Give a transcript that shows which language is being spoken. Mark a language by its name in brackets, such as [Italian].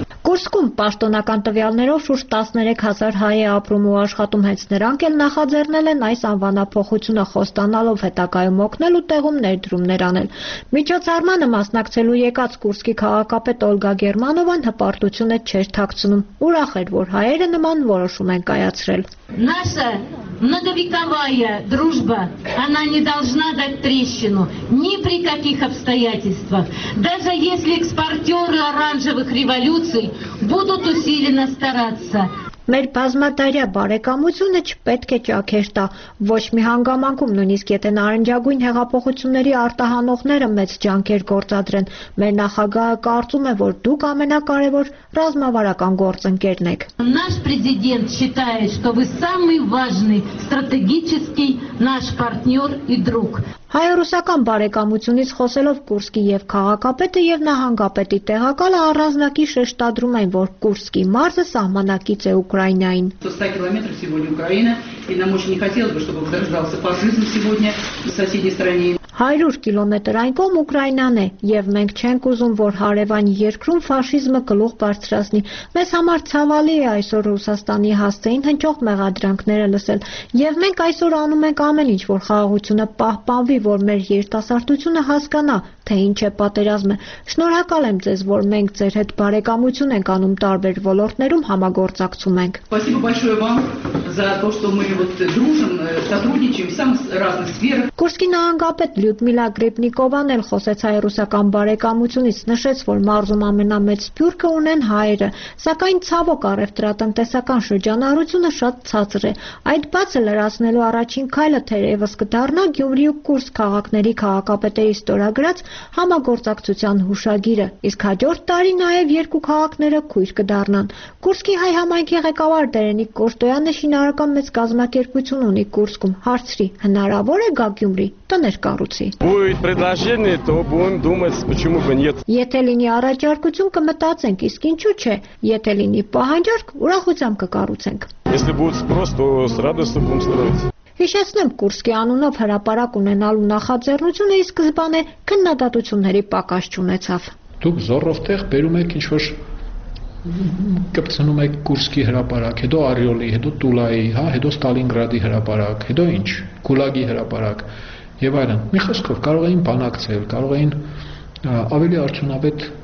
[Armenian] Կուրսկում պաշտոնական տվյալներով շուրջ 13,000 հայ է ապրում ու աշխատում, հենց նրանք էլ նախաձեռնել են այս անվանափոխությունը, խոստանալով հետագայում օգնել ու տեղում ներդրումներ անել։ Միջոցառմանը մասնակցելու եկած Կուրսկի քաղաքապետ Օլգա Գերմանովան հպարտությունը չեր թաքցնում, ուրախ էր, որ հայերը նման որոշում են կայացրել։ [Russian] Наша многовековая дружба, она не должна дать трещину ни при каких обстоятельствах. Даже если экспортеры оранжевых революций будут усиленно стараться. [Armenian] Մեր բազմատարյա բարեկամությունը չպետք է ճաքեր տա ոչ մի հանգամանքում, նույնիսկ եթե նարնջագույն հեղափոխությունների արտահանողները մեծ ջանքեր գործադրեն։ Մեր նախագահը կարծում է, որ դուք ամենակարևոր ռազմավարական գործընկերն եք։ [Russian] Наш президент считает, что вы самый важный стратегический наш партнёр и друг. [Armenian] Հայ-ռուսական բարեկամությունից խոսելով Կուրսկի և քաղաքապետը և նահանգապետի տեղակալը առանձնակի շեշտադրում են, որ Կուրսկի մարզը սահմանակից է Ուկրաինային։ [Russian] 100 [Armenian] կիլոմետր [Russian] сегодня Украина, и нам очень не хотелось бы, чтобы вторгался фашизм сегодня в соседней стране. [Armenian] 100 կիլոմետր այն կողմ Ուկրաինան է, և մենք չենք ուզում, որ հարևան երկրում ֆաշիզմը գլուխ բարձրացնի։ Մեզ համար ցավալի է այսօր Ռուսաստանի հաստեին հնչող մեղադրանքները լսել, և մենք այսօր անում ենք ամեն ինչ, որ խաղաղությունը պահպանվի, որ մեր երիտասարդությունը հասկանա, թե ինչ է պատերազմը։ Շնորհակալ եմ ձեզ, որ մենք ձեր հետ բարեկամություն ենք անում տարբեր ոլորտներում, համագործակցում ենք։ Կուրսկի նահանգապետ Լյուդմիլա Գրիբնիկովան էլ խոսեց հայ-ռուսական բարեկամությունից, նշեց, որ մարզում ամենամեծ սփյուռքը ունեն հայերը, սակայն ցավոք առևտրատնտեսական շրջանառությունը շատ ցածր է։ Այդ բացը լրացնելու առաջին քայլը թերևս կդառնա Գյումրիու Կուրս քաղաքների քաղաքապետերի ստորագրած համագործակցության հուշագիրը, իսկ հաջորդ տարի նաև երկու քաղաքները քույր կդառնան։ Կուրսկի հայ համայնքի ղեկավար Դերենիկ Կոշտոյանը շինարարական մեծ կազմակերպություն ունի Կուրսկում, հարցրի՝ հնարավոր է գա Գյումրի տներ կառուցի։ [Russian] Будет предложение, то будем думать, почему бы нет։ [Armenian] Եթե լինի առաջարկություն, կմտածենք, իսկ ինչու՞ չէ։ Եթե լինի պահանջարկ, ուրախությամբ կկառուցենք։ [Russian] Если будет спрос, то с радостью будем строить։ [Armenian] Հիշեցնեմ, Կուրսկի անունով հրապարակ ունենալու նախաձեռնությունը ի սկզբանե քննադատությունների պակաս չունեցավ։ Դուք Զորովտեղ բերում եք ինչ-որ կպցնում եք Կուրսկի հրապարակ, հետո Արիոլի, հետո Տուլայի, հա, հետո Ստալինգրադի հրապարակ, հետո ինչ, Գուլագի հրապարակ եւ այլն։ Մի խոսքով կարող էին բանակցել, կարող էին ավելի արդյունավետ